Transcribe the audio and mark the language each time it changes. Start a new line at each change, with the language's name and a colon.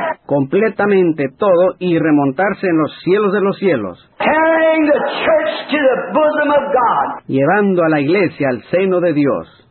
Spanish: Completamente todo y remontarse en los cielos de los cielos.
English: Carrying the church to the bosom of God.
Spanish: Llevando a la iglesia al seno de Dios.